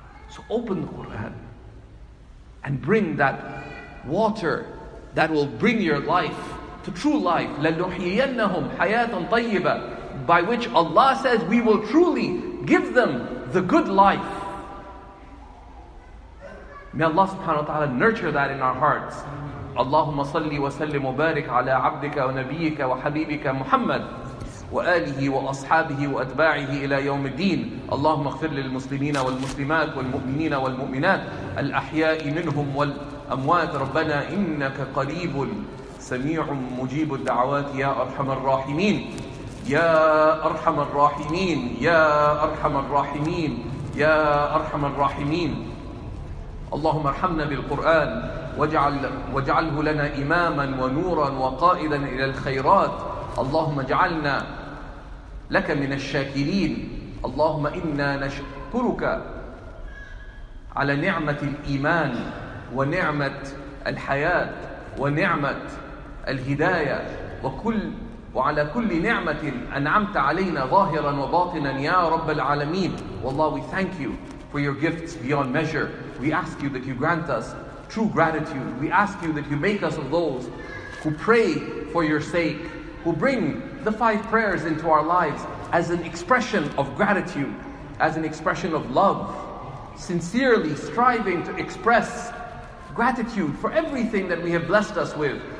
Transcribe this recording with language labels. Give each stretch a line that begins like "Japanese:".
English: So open the Qur'an and bring that water that will bring your life to true life.
Arabic: لَنُحْيَيَنَّهُمْ حَيَاةً طَيِّبًا.
English: By which Allah says, we will truly give them the good life. May Allah subhanahu wa ta'ala nurture that in our hearts.
Arabic: اللهم صل وسلم وبارك على عبدك ونبيك وحبيبك محمد وآله وأصحابه وأتباعه إلى يوم الدين. اللهم اغفر للمسلمين والمسلمات والمؤمنين والمؤمنات الأحياء منهم والأموات. ربنا إنك قريب سميع مجيب الدعوات يا أرحم الراحمين يا أرحم الراحمين يا أرحم الراحمين يا أرحم الراحمين. اللهم ارحمنا بالقرآن واجعله لنا إماما ونورا وقائدا إلى الخيرات. اللهم اجعلنا لك من الشاكرين. اللهم إنا نشكرك على نعمة الإيمان ونعمة الحياة ونعمة الهداية وعلى كل نعمة أنعمت علينا ظاهرا وباطنا يا رب العالمين. والله
English: we thank you for your gifts beyond measure. We ask you that you grant us true gratitude. We ask you that you make us of those who pray for your sake, who bring the five prayers into our lives as an expression of gratitude, as an expression of love, sincerely striving to express gratitude for everything that we have blessed us with.